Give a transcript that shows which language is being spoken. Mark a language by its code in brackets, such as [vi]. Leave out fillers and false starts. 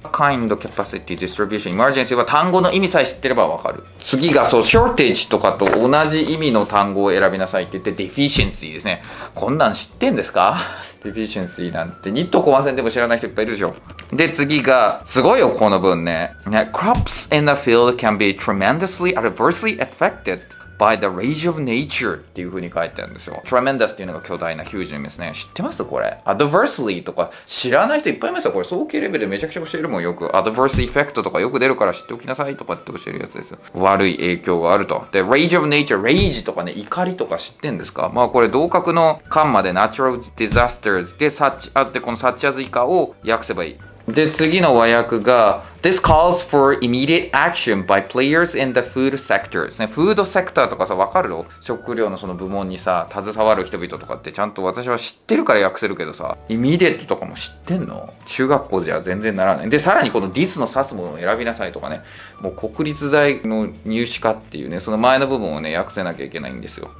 [ja] Kind, Capacity, Distribution, Emergency は単語の意味さえ知ってればわかる。次がそう Shortage とかと同じ意味の単語を選びなさいって言って Deficiency ですね。こんなん知ってんですか。Deficiency なんてニットコマ線でも知らない人いっぱいいるでしょ。で次がすごいよこの文ね。 [en] Crops in the field can be tremendously adversely affectedby the rage of nature [ja] っていう風に書いてあるんですよ。 tremendous っていうのが巨大な、 huge の意味ですね。知ってますこれ。adversely とか知らない人いっぱいいますよ。これ早期レベルでめちゃくちゃ教えるもん。よく adverse effect とかよく出るから知っておきなさいとかって教えるやつですよ。悪い影響があると。で rage of nature、 rage とかね、怒りとか知ってんですか。まあこれ同格の間まで natural disasters で such as で、この such as 以下を訳せばいい。で次の和訳が [en] This calls for immediate action by players in the food sector ですね。 [ja] フードセクターとかさ、わかるの？食料のその部門にさ携わる人々とかって、ちゃんと私は知ってるから訳せるけどさ、 immediate とかも知ってんの？中学校じゃ全然ならない。でさらにこの this の指すものを選びなさいとかね、もう国立大の入試かっていうね、その前の部分をね訳せなきゃいけないんですよ。